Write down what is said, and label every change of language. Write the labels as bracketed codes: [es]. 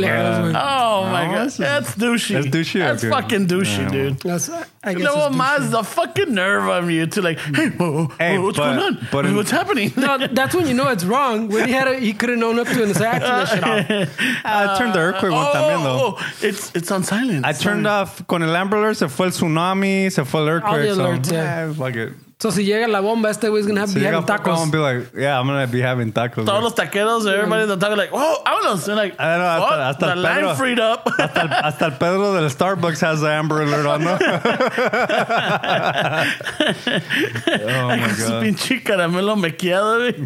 [en] Man. Oh, my God. That's douchey. That's douchey. That's fucking douchey, yeah, dude. That's I guess you know what, Maz, the fucking nerve of you to like, hey, what's going on? But what's happening? No, that's when you know it's wrong. When he couldn't own up to it and say, I turned that shit off. I turned the earthquake one time in, though. It's on silence. I turned off [es] con el Amber Alert, se fue el tsunami, se fue el earthquake. [en] All the alerts, so, yeah. Fuck it. So [es] si llega la bomba, este güey's [en] gonna be having tacos. I'm gonna be like, yeah, I'm gonna be having tacos. [es] Todos los taqueros, [en] everybody in the taco, like, oh, [es] vámonos. [en] They're like, I know, [es] hasta [en] the line freed up. [es] Hasta el Pedro del [en] Starbucks has the Amber Alert on, no? Oh my God. [es] Es pinche caramelo maquillado, güey.